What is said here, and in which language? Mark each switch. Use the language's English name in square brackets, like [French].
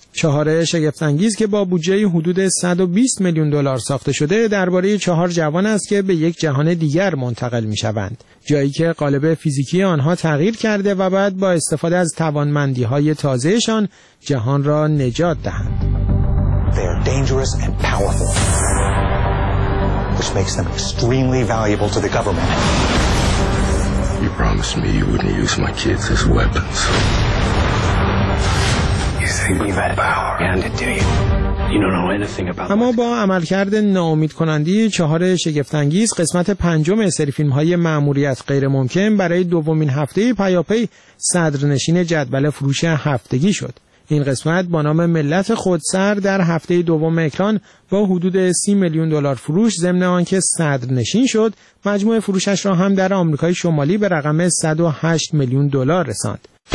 [Persian] چهار شگفت‌انگیز که با بودجه حدود 120 میلیون دلار ساخته شده درباره چهار جوان است که به یک جهان دیگر منتقل می‌شوند، جایی که قالب فیزیکی آنها تغییر کرده و بعد با استفاده از توانمندی‌های تازه‌شان جهان را نجات دهند. [English] They are dangerous and powerful, which makes them extremely valuable to the government. You promised me you wouldn't use my kids as weapons. You think you've had power and it, do you? [Persian] اما با عملکرد ناامیدکننده چهار شگفت‌انگیز، قسمت پنجم سری فیلم‌های مأموریت غیرممکن برای دومین هفته پیاپی صدرنشین جدول فروش هفتگی شد. این قسمت با نام ملت خودسر در هفته دوم اکران با حدود 30 میلیون دلار فروش ضمن آنکه صدرنشین شد، مجموع فروشش را هم در آمریکای شمالی به رقم 108 میلیون دلار رساند.